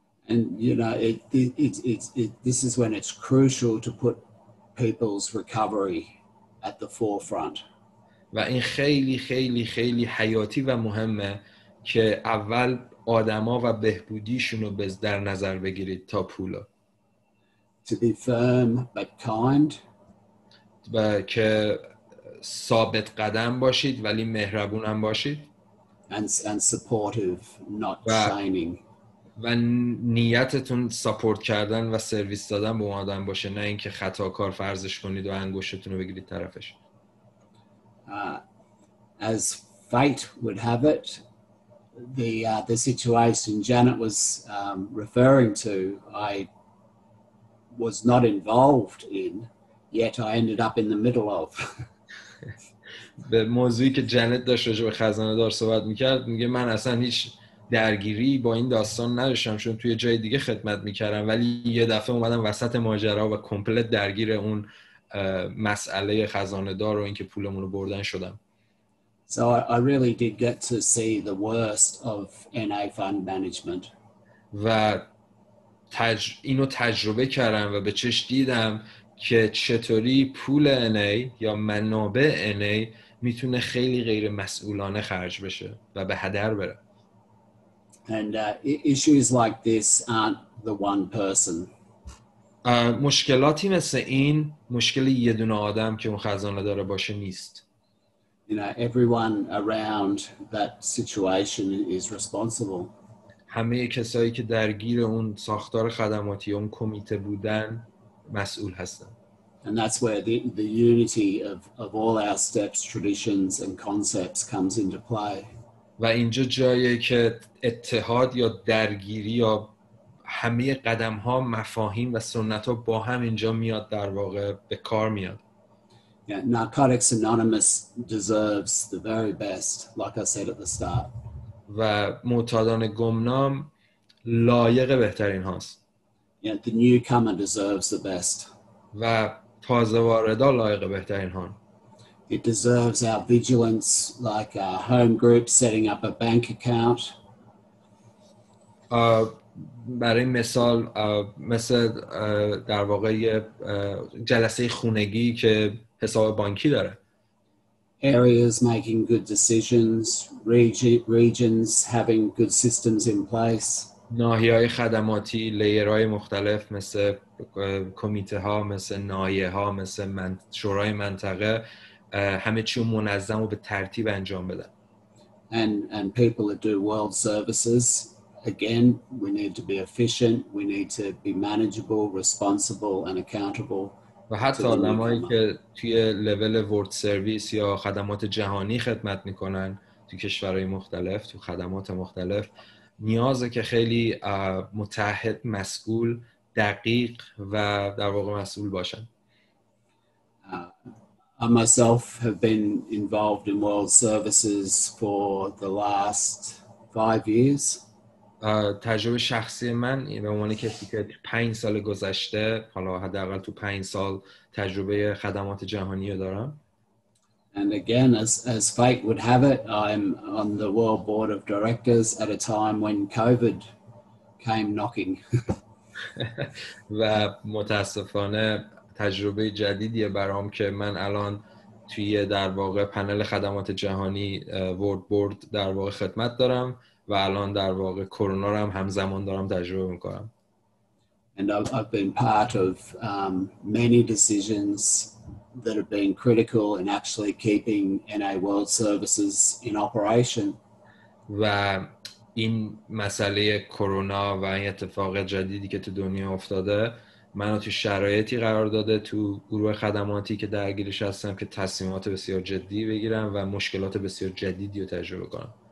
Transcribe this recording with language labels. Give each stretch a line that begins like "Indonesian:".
English: And you know, it this is when it's crucial to put people's recovery at the forefront.
Persian: و این خیلی خیلی خیلی حیاتی و مهمه که اول آدما و بهبودیشون رو در نظر بگیرید تا پولا.
English: To be firm but kind.
Persian: و که ثابت قدم باشید ولی مهربون هم باشید.
English: And supportive, not shaming.
Persian: و نیتتون ساپورت کردن و سرویس دادن به اون آدم باشه، نه اینکه خطا کار فرضش کنید و انگشتتون رو بگیرید طرفش.
English: As fate would have it, the situation Janet was referring to, I was not involved in, yet I ended up in the middle of.
Persian: به موضوعی که جنت داشت راجع به خزانه دار صحبت میکرد میگه من اصلا هیچ درگیری با این داستان نداشتم چون توی جای دیگه خدمت میکردم ولی یه دفعه اومدم وسط ماجرا و کمپلت درگیر اون مسئله خزانه دار و اینکه پولمون رو بردن شدم.
English: So I really did get to see the worst of NA fund management.
Persian: و اینو تجربه کردم و به چش دیدم که چطوری پول NA یا منابع NA میتونه خیلی غیر مسئولانه خرج بشه و به هدر بره.
English: And issues like this aren't the one person.
Persian: مشکلاتی مثل این مشکل یه دونه آدم که اون خزانه داره باشه نیست.
English: You know, everyone around that situation is responsible.
Persian: همه کسایی که درگیر اون ساختار خدماتی اون کمیته بودن مسئول هستن.
English: And that's where the unity of all our steps, traditions and concepts comes into play.
Persian: و اینجا جاییه که اتحاد یا درگیری یا همه قدم ها مفاهیم و سنت ها با هم اینجا میاد در واقع به کار میاد.
English: Yeah, Narcotics Anonymous deserves the very best, like I said at the start.
Persian: و معتادان گمنام لایق بهترین هاست.
English: Yeah, the newcomer deserves the best.
Persian: و تازه واردا لایق بهترین هان.
English: It deserves our vigilance, like a home group setting up a bank account.
Persian: برای مثال مثل در واقع جلسه خونگی که حساب بانکی داره.
English: Areas making good decisions, regions having good systems in place.
Persian: ناحیه‌های خدماتی، لایه‌های مختلف مثل کمیته‌ها، مثل ناحیه‌ها، مثل شورای منطقه همه چی منظم و به ترتیب انجام بدن.
English: And people that do world services, again, we need to be efficient, we need to be manageable, responsible and accountable.
Persian: و حتی آدمایی که توی لول ورد سرویس یا خدمات جهانی خدمت میکنن تو کشورهای مختلف تو خدمات مختلف نیازه که خیلی متعهد مسئول دقیق و در واقع مسئول باشن.
English: I myself have been involved in world services for the last 5 years.
Persian: تجربه شخصی من به عنوان کسی که 5 سال گذشته حالا حداقل تو 5 سال تجربه خدمات جهانی رو دارم.
English: And again, as fate would have it, I'm on the World Board of Directors at a time when COVID came knocking.
Persian: و متاسفانه تجربه جدیدی برام که من الان توی در واقع پنل خدمات جهانی World Board در واقع خدمت دارم و الان در واقع کرونا رو هم همزمان دارم تجربه میکنم.
English: And I've been part of many decisions that have been critical in actually keeping NA World Services in operation.
Persian: و این مسئله کرونا و این اتفاق جدیدی که تو دنیا افتاده منو تو شرایطی قرار داده تو گروه خدماتی که درگیرش هستم که تصمیمات بسیار جدی بگیرم و مشکلات بسیار جدیدی رو تجربه کنم.